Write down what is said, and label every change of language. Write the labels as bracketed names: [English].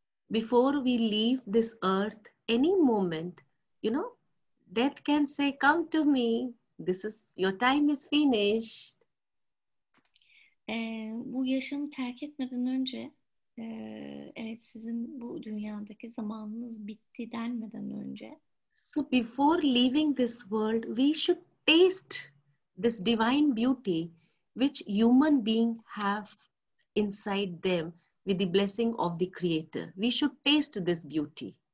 [English] Before we leave this earth, any moment, you know, death can say, come to me. This is your time is finished. [Turkish] Bu yaşamı terk etmeden önce, evet, sizin bu dünyadaki zamanınız bitti denmeden önce. [English] So before leaving this world, we should taste this divine beauty which human being have inside them with the blessing of the creator. We should taste this beauty.